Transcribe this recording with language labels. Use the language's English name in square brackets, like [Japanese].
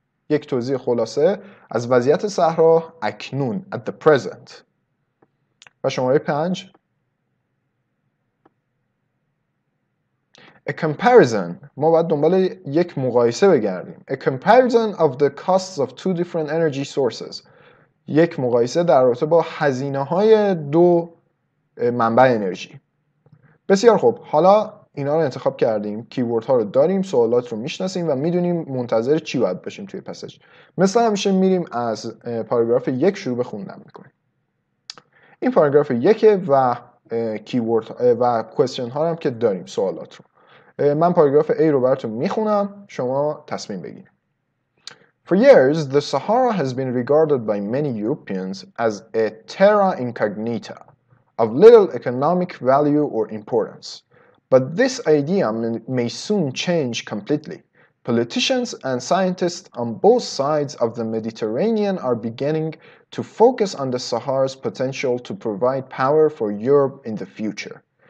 [Persian] یک توضیح خلاصه از وضعیت صحرا اکنون. [English] At the present. [Persian] و شماره 5. [English] A comparison. [Persian] ما باید دنبال یک مقایسه بگردیم. [English] A comparison of the costs of two different energy sources. [Persian] یک مقایسه در رابطه با هزینه های دو منبع انرژی. بسیار خوب. حالا اینا رو انتخاب کردیم. کیورد ها رو داریم. سوالات رو میشناسیم و میدونیم منتظر چی باید باشیم توی پسج. مثلا همیشه میریم از پاراگراف یک شروع به خوندن میکنیم. این پاراگراف یکه و کیورد و کوئسشن ها هم که داریم، سوالات رو. من پاراگراف A رو براتون میخونم، شما تصمیم بگیرید. [English] For years, the Sahara has been regarded by many Europeans as a terra incognita, of little economic value or importance. But this idea may soon change completely. Politicians and scientists on both sides of the Mediterranean are beginning to focus on the Sahara's potential to provide power for Europe in the future.